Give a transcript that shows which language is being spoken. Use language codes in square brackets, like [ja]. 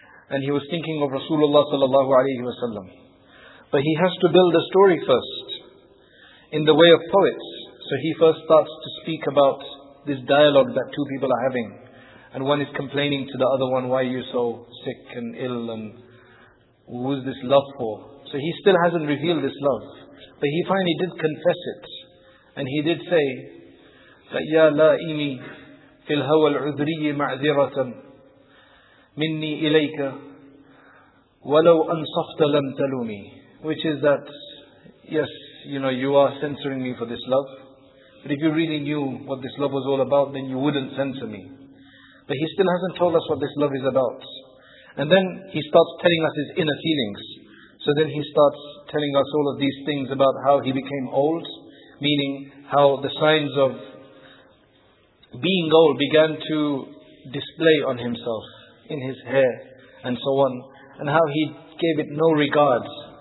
[en] And he was thinking of Rasulullah sallallahu alayhi wa sallam. But he has to build a story first, in the way of poets. So he first starts to speak about this dialogue that two people are having. And one is complaining to the other one, why are you so sick and ill, and who's this love for? So he still hasn't revealed this love. But he finally did confess it. And he did say that, [ar] يَا لَائِمِي فِي الْهَوَى الْعُذْرِيِّ مَعْذِرَةً مِنِّي إِلَيْكَ وَلَوْ أَنْصَفْتَ لَمْ تَلُومِي. [en] Which is that, yes, you know, you are censoring me for this love. But if you really knew what this love was all about, then you wouldn't censor me. But he still hasn't told us what this love is about. And then he starts telling us his inner feelings. So then he starts telling us all of these things about how he became old, meaning how the signs of being old began to display on himself, in his hair and so on, and how he gave it no regards.